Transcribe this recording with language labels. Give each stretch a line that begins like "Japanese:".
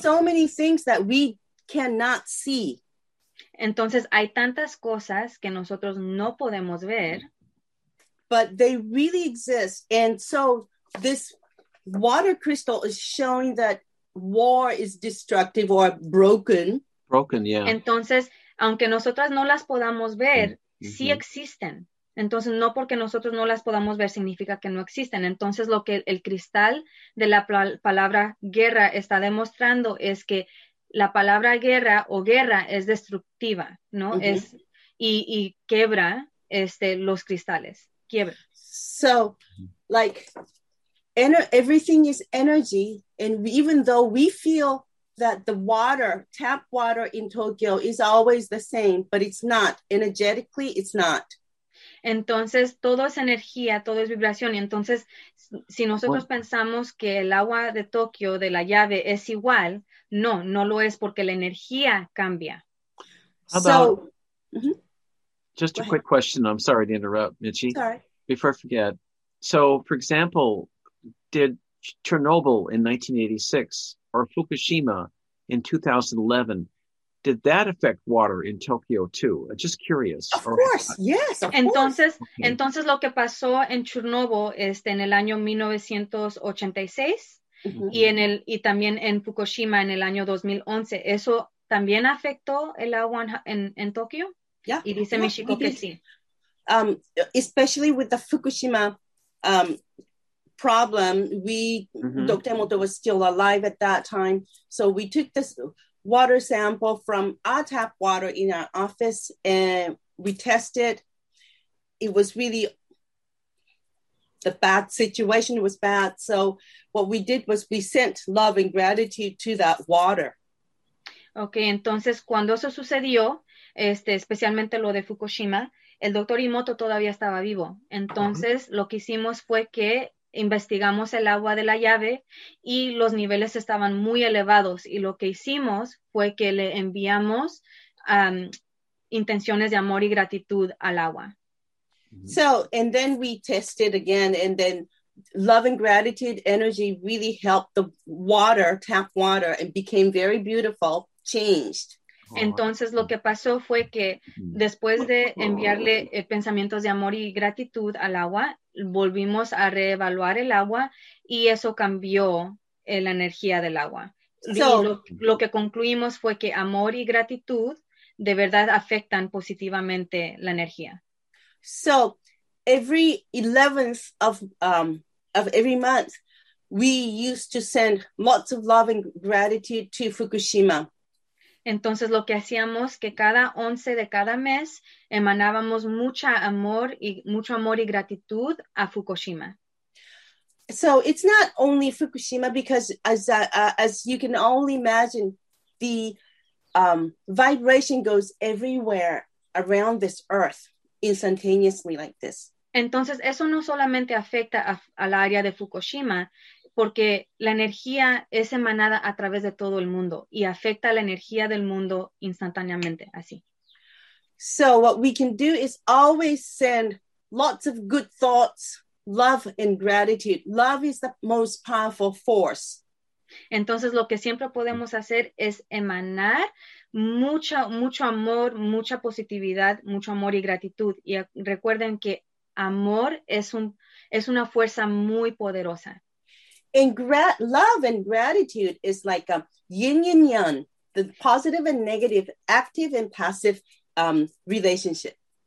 English: So many things that we cannot see.
Spanish: Entonces, hay tantas cosas que nosotros no podemos ver.
English: But they really exist. And so this water crystal is showing that war is destructive or broken. Broken, yeah.
Spanish: Entonces, aunque nosotras no las podamos ver, mm-hmm. sí existen. Entonces, no porque nosotros no las podamos ver significa que no existen. Entonces, lo que el cristal de la palabra guerra está demostrando es que la palabra guerra o guerra es destructiva, ¿no? Mm-hmm. Es y quiebra los cristales. Quiebra.
English: So, like, everything is energy, and even though we feel that the water, tap water in Tokyo is always the same, but it's not. Energetically, it's not.
Spanish: Entonces, todo es energía, todo es vibración. Y entonces, si nosotros pensamos que el agua de Tokio, de la llave, es igual, no, no lo es porque la energía cambia.
English: Just a quick question. I'm sorry to interrupt, Michi. Sorry. Before I forget. So, for example, did Chernobyl in 1986 or Fukushima in 2011, did that affect water in Tokyo too? I'm just curious. Of course.
Spanish: Entonces, lo que pasó en Chernobyl en el año 1986 y en el y también en Fukushima en el año 2011, ¿eso también afectó el agua en Tokio? Yeah. Y dice Michiko que sí.
English: Especially with the Fukushima problem, Dr. Emoto was still alive at that time, so we took this water sample from our tap water in our office and we tested. It was really the bad situation. It was bad. So what we did was we sent love and gratitude to that water.
Spanish: Okay, entonces cuando eso sucedió, especialmente lo de Fukushima, el doctor Emoto todavía estaba vivo. Entonces lo que hicimos fue que investigamos el agua de la llave y los niveles estaban muy elevados. Y lo que hicimos fue que le enviamos intenciones de amor y gratitud al agua.
English: So, and then we tested again, and then love and gratitude energy really helped the water, tap water, and became very beautiful, changed.
Spanish: Entonces lo que pasó fue que después de enviarle pensamientos de amor y gratitud al agua, volvimos a reevaluar el agua y eso cambió la energía del agua. So, lo que concluimos fue que amor y gratitud de verdad afectan positivamente la energía.
English: So every 11th of every month, we used to send lots of love and gratitude to Fukushima.
Spanish: Entonces, lo que hacíamos que cada 11 de cada mes emanábamos mucho amor y gratitud a Fukushima.
English: So it's not only Fukushima because, as you can only imagine, the vibration goes everywhere around this earth instantaneously like this.
Spanish: Entonces, eso no solamente afecta al área de Fukushima, porque la energía es emanada a través de todo el mundo y afecta la energía del mundo instantáneamente, así.
English: So what we can do is always send lots of good thoughts, love and gratitude. Love is the most powerful force.
Spanish: Entonces lo que siempre podemos hacer es emanar mucho amor, mucha positividad, mucho amor y gratitud. Y recuerden que amor es una fuerza muy poderosa.
English: And love and gratitude is like a yin and yang, the positive and negative, active and passive relationship.